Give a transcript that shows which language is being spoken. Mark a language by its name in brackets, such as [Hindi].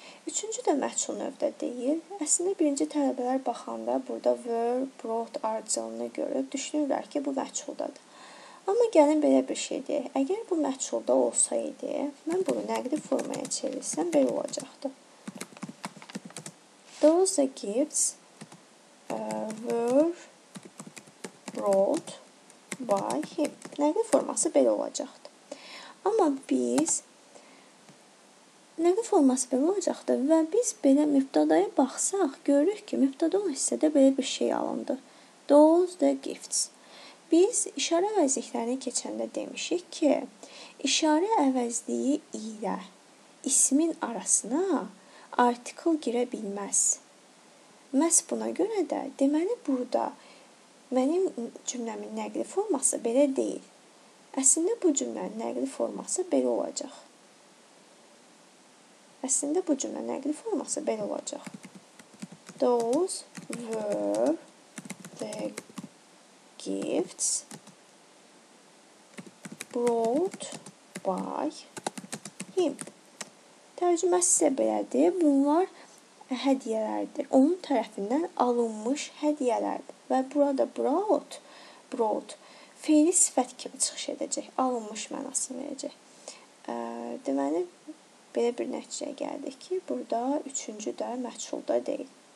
[Azerbaijani] Üçüncü də məçhul növdə deyil. Əslində, birinci tələbələr baxanda burada were, brought ardıcılığını görüb, düşünürlər ki, bu məçhuldadır. Amma gəlin belə bir şeydir. Əgər bu məçhulda olsaydı, mən bunu nəqli formaya çevirsəm, belə olacaqdı. [English] Those gifts were brought by him. [Azerbaijani] Nəqli forması belə olacaqdı. Amma biz nəqli forması belə olacaqdı və biz belə mübtədaya baxsaq, görürük ki, mübtəda olan hissədə belə bir şey alındı. [English] Those the gifts. [Azerbaijani] Biz işarə əvəzliklərini keçəndə demişik ki, işarə əvəzliyi ilə ismin arasına artikl girə bilməz. Məhz buna görə də deməli burada mənim cümləmin nəqli forması belə deyil. Əslində bu cümlənin nəqli forması belə olacaq. Əslində bu cümlənin nəqli forması belə olacaq. [English] Those were the gifts brought by him. [Azerbaijani] Tərcüməsi isə belədir. Bunlar hədiyələrdir. Onun tərəfindən alınmış hədiyələrdir. Və burada brought feili sifət kimi çıxış edəcək. Alınmış mənası verəcək. Deməli, belə bir nəticəyə gəldik ki, burada üçüncü də məçhulda deyil.